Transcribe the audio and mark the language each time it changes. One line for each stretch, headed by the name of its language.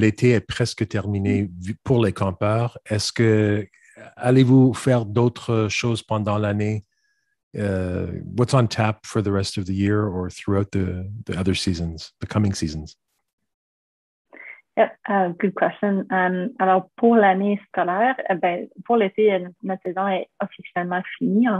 French: l'été est presque terminé pour les campeurs, est-ce que allez-vous faire d'autres choses pendant l'année?
English: What's on tap for the rest of the year or throughout the other seasons, the coming seasons? Yep, good question.
French: Alors pour l'année scolaire, pour l'été, notre saison est officiellement finie.